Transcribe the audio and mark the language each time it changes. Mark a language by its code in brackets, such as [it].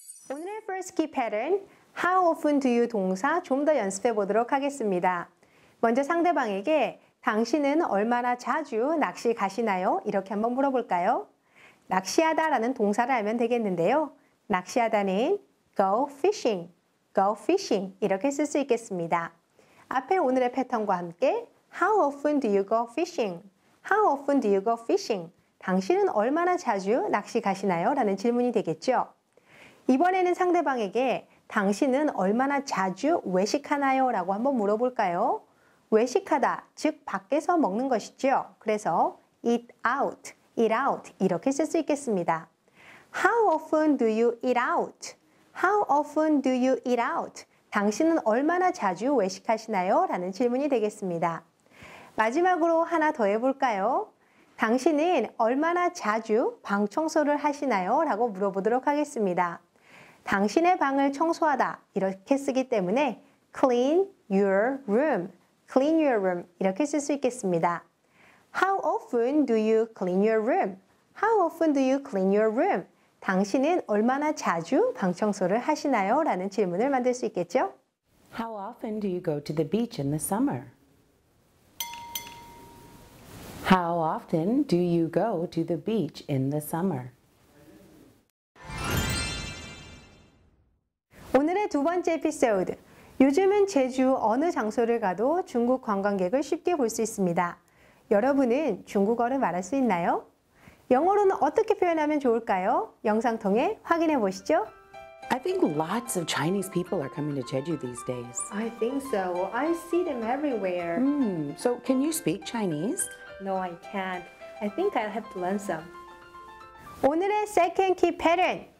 [ko] 오늘의 [en] first key pattern, how often do you [ko] 동사 좀 더 연습해 보도록 하겠습니다. 먼저 상대방에게 당신은 얼마나 자주 낚시 가시나요? 이렇게 한번 물어볼까요? 낚시하다 라는 동사를 알면 되겠는데요. 낚시하다는 [en] go fishing [ko] 이렇게 쓸 수 있겠습니다. 앞에 오늘의 패턴과 함께 [en] How often do you go fishing? How often do you go fishing? [ko] 당신은 얼마나 자주 낚시 가시나요? 라는 질문이 되겠죠. 이번에는 상대방에게 당신은 얼마나 자주 외식하나요? 라고 한번 물어볼까요? 외식하다, 즉 밖에서 먹는 것이죠. 그래서 [en] eat out [ko] 이렇게 쓸 수 있겠습니다. [en] How often do you eat out? How often do you eat out? [ko] 당신은 얼마나 자주 외식하시나요? 라는 질문이 되겠습니다. 마지막으로 하나 더 해볼까요? 당신은 얼마나 자주 방 청소를 하시나요? 라고 물어보도록 하겠습니다. 당신의 방을 청소하다 이렇게 쓰기 때문에 [en] clean your room [ko] 이렇게 쓸 수 있겠습니다. [en] How often do you clean your room? How often do you clean your room? [ko] 당신은 얼마나 자주 방 청소를 하시나요? 라는 질문을 만들 수 있겠죠? [en] How often do you go to the beach in the summer? How often do you go to the beach in the summer? [ko] 오늘의 두 번째 에피소드. 요즘은 제주 어느 장소를 가도 중국 관광객을 쉽게 볼 수 있습니다. 여러분은 중국어를 말할 수 있나요? 영어로는 어떻게 표현하면 좋을까요? 영상 통해 확인해 보시죠. [en] I think lots of Chinese people are coming to Jeju these days. I think so. I see them everywhere. So can you speak Chinese? No, I can't. I think I'll have to learn some. [ko] 오늘의 [en] second key pattern.